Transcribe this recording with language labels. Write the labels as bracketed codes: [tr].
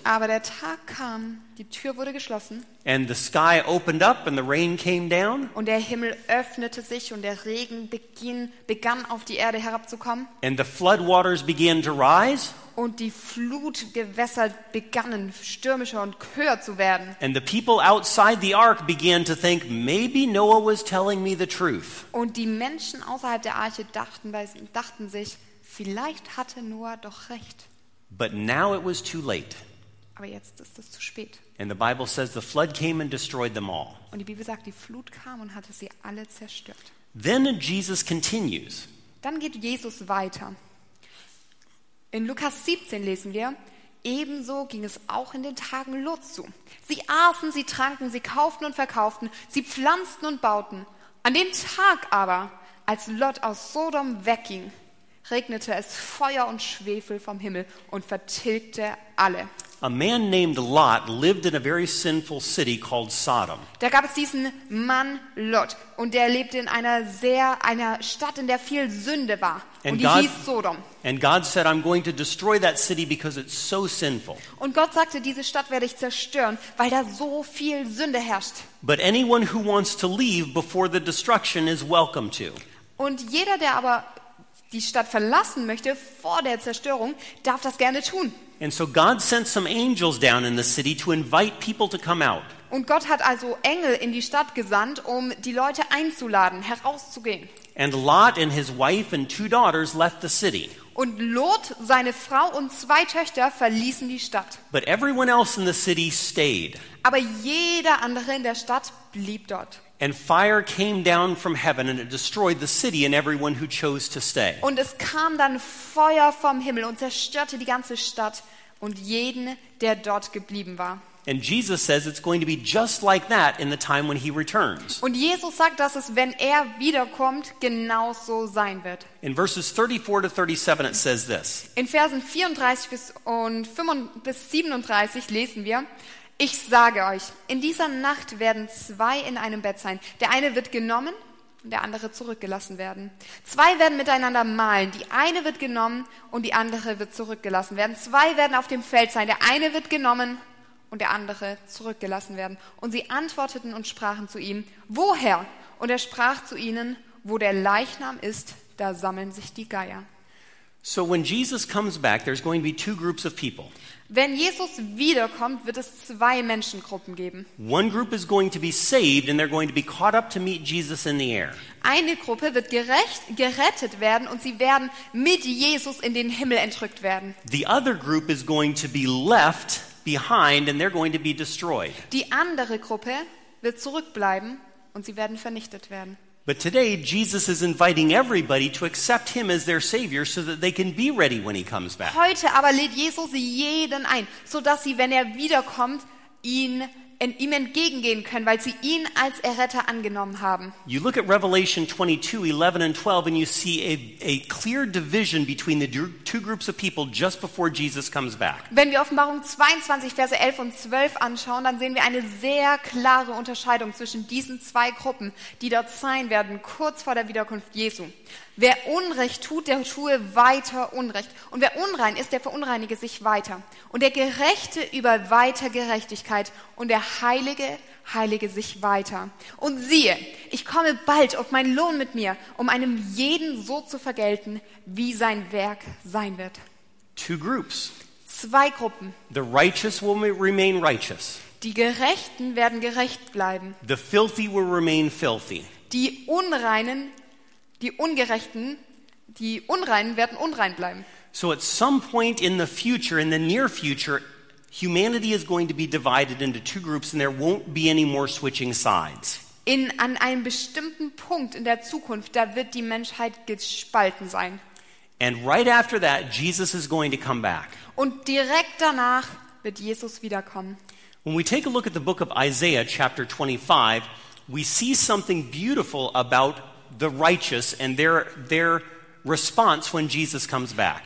[de] Aber der Tag kam, die Tür wurde geschlossen. [en] And the sky opened up and the rain came down. [de] Und der Himmel öffnete sich und der Regen begann auf die Erde herabzukommen. [en] And the flood waters began to rise. [de] Und die Flutgewässer begannen stürmischer und höher zu werden. [en] And the people outside the ark began to think maybe Noah was telling me the truth. [de] Und die Menschen außerhalb der Arche dachten sich, vielleicht hatte Noah doch recht. [en] But now it was too late. [de] Aber jetzt ist es zu spät. [en] And the Bible says the flood came and destroyed them all. [de] Und die Bibel sagt, die Flut kam und hatte sie alle zerstört. [en] Then Jesus continues. [de] Dann geht Jesus weiter. In Lukas 17 lesen wir, ebenso ging es auch in den Tagen Lots zu. Sie aßen, sie tranken, sie kauften und verkauften, sie pflanzten und bauten. An dem Tag aber, als Lot aus Sodom wegging, regnete es Feuer und Schwefel vom Himmel und vertilgte alle. [en] A man named Lot lived in a very sinful city called Sodom. [de] Da gab es diesen Mann Lot und der lebte in einer Stadt, in der viel Sünde war und die hieß Sodom. [en] And God said, I'm going to destroy that city because it's so sinful. [de] Und Gott sagte, diese Stadt werde ich zerstören, weil da so viel Sünde herrscht. [en] But anyone who wants to leave before the destruction is welcome to. [de] Und jeder, der aber die Stadt verlassen möchte vor der Zerstörung, darf das gerne tun. [en] And so God sent some angels down in the city to invite people to come out. [de] Und Gott hat also Engel in die Stadt gesandt, um die Leute einzuladen, herauszugehen. [en] And Lot and his wife and two daughters left the city. [de] Und Lot, seine Frau und zwei Töchter verließen die Stadt. [en] But everyone else in the city stayed. [de] Aber jeder andere in der Stadt blieb dort. [en] And fire came down from heaven and it destroyed the city and everyone who chose to stay. [de] Und es kam dann Feuer vom Himmel und zerstörte die ganze Stadt und jeden, der dort geblieben war. [en] And Jesus says it's going to be just like that in the time when he returns. [de] Und Jesus sagt, dass es, wenn er wiederkommt, genauso sein wird. [en] In verses 34 to 37 it says this. [de] In Versen 34 bis 37 lesen wir: Ich sage euch, in dieser Nacht werden zwei in einem Bett sein. Der eine wird genommen und der andere zurückgelassen werden. Zwei werden miteinander mahlen. Die eine wird genommen und die andere wird zurückgelassen werden. Zwei werden auf dem Feld sein. Der eine wird genommen und der andere zurückgelassen werden. Und sie antworteten und sprachen zu ihm, woher? Und er sprach zu ihnen, wo der Leichnam ist, da sammeln sich die Geier. [en] So when Jesus comes back, there's going to be two groups of people. [de] Wenn Jesus wiederkommt, wird es zwei Menschengruppen geben. [en] One group is going to be saved and they're going to be caught up to meet Jesus in the air. [de] Eine Gruppe wird gerettet werden und sie werden mit Jesus in den Himmel entrückt werden. [en] The other group is going to be left behind and they're going to be destroyed. [de] Die andere Gruppe wird zurückbleiben und sie werden vernichtet werden. [en] But today Jesus is inviting everybody to accept him as their savior so that they can be ready when he comes back. [de] Heute aber lädt Jesus jeden ein, so dass sie, wenn er wiederkommt, ihm entgegengehen können, weil sie ihn als Erretter angenommen haben. [en] You look at Revelation 22:11-12 and you see a clear division between the two groups of people just before Jesus comes back. [de] Wenn wir Offenbarung 22 Verse 11 und 12 anschauen, dann sehen wir eine sehr klare Unterscheidung zwischen diesen zwei Gruppen, die dort sein werden kurz vor der Wiederkunft Jesu. Wer Unrecht tut, der tue weiter Unrecht. Und wer unrein ist, der verunreinige sich weiter. Und der Gerechte über weiter Gerechtigkeit. Und der Heilige heilige sich weiter. Und siehe, ich komme bald auf meinen Lohn mit mir, um einem jeden so zu vergelten, wie sein Werk sein wird. [en] Two groups. [de] Zwei Gruppen. [en] The righteous will remain righteous. [de] Die Gerechten werden gerecht bleiben. [en] The filthy will remain filthy. [de] Die Unreinen, die Ungerechten, die Unreinen werden unrein bleiben. [en] So at some point in the future, in the near future, humanity is going to be divided into two groups and there won't be any more switching sides. [de] An einem bestimmten Punkt in der Zukunft, da wird die Menschheit gespalten sein. [en] And right after that, Jesus is going to come back. [de] Und direkt danach wird Jesus wiederkommen. [en] When we take a look at the book of Isaiah, chapter 25, we see something beautiful about the righteous and their response when Jesus comes back.